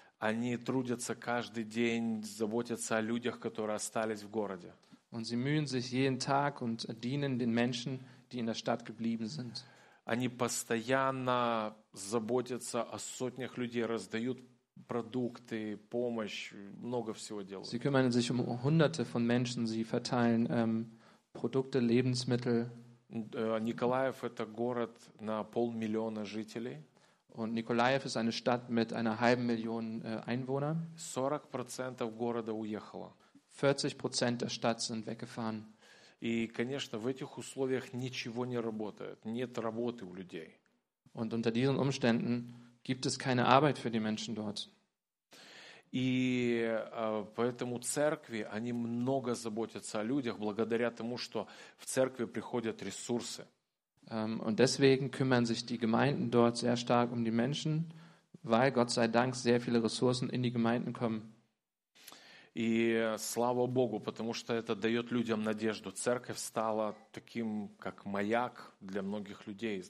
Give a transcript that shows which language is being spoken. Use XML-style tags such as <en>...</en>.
<ru>Они трудятся каждый день, заботятся о людях, которые остались в городе.</ru> <de>Und sie mühen sich jeden Tag und dienen den Menschen, die in der Stadt geblieben sind.</de> <ru>Они постоянно заботятся о сотнях людей, раздают продукты, помощь, много всего делают.</ru> <de>Sie kümmern sich um Hunderte von Menschen, sie verteilen Produkte, Lebensmittel.</de> <ru>Николаев – это город на 500 000 жителей.</ru> <de>Und Nikolajew ist eine Stadt mit einer 500 000 Einwohnern.</de> <ru>40% города уехало.</ru> <de>40% der Stadt sind weggefahren.</de> <ru>И, конечно, в этих условиях ничего не работает. Нет работы у людей.</ru> <de>Und unter diesen Umständen gibt es keine Arbeit für die Menschen dort.</de> <ru>И поэтому церкви, они много заботятся о людях, благодаря тому, что в церкви приходят ресурсы.</ru> <de>Und deswegen kümmern sich die Gemeinden dort sehr stark um die Menschen, weil Gott sei Dank sehr viele Ressourcen in die Gemeinden kommen.</de> <ru>И слава Богу, потому что это дает людям надежду. Церковь стала таким, как маяк для многих людей.</ru>